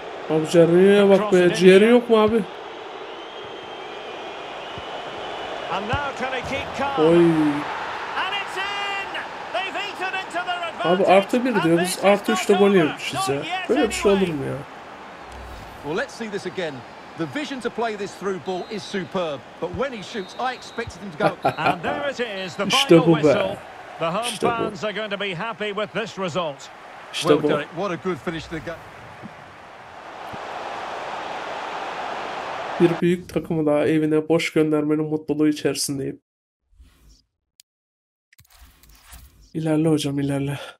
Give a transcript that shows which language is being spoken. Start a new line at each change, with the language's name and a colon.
Turkish: Abi ciğerine bak be, ciğeri yok mu abi?
English: And now can he keep calm? Oy. And it's in. They've eaten into their advantage.
Turkish: Abi artı bir diyor, biz artı üçte gol yemişiz ya. Böyle bir şey olur mu ya?
English: Well, let's see this again. The vision to play this through ball is superb, but when he shoots, I expected him to go. And there it is, the final whistle. The home fans are going to be happy with this result. Well, Derek, what a good finish to the game.
Turkish: Bir büyük takımı daha evine boş göndermenin mutluluğu içerisindeyim. İlerle hocam, ilerle.